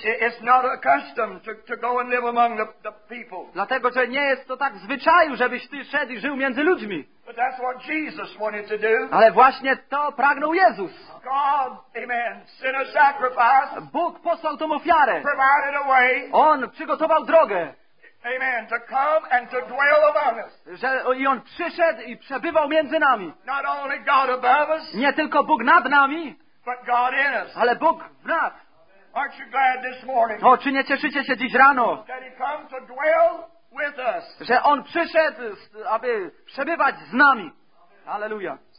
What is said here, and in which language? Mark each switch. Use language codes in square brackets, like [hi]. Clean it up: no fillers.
[en] It's not a custom to go and live among the people. [pl] Dlatego, że nie jest to tak w zwyczaju, żebyś ty szedł i żył między ludźmi. [en] But that's what Jesus wanted to do. [pl] Ale właśnie to pragnął Jezus. [en] God, amen, sent a sacrifice. [pl] Bóg posłał tą ofiarę. [en] Provided a way. [pl] On przygotował drogę. [en] Amen. To come and to dwell among us. [pl] Że i On przyszedł i przebywał między nami. [en] Not only God above us. [pl] Nie tylko Bóg nad nami. [en] But God in us. [pl] Ale Bóg w nas. [en] Aren't you glad this morning? [pl] O, czy nie cieszycie się dziś rano? [en] That he come to dwell with us. [pl] Że On przyszedł, aby przebywać z nami. Aleluja.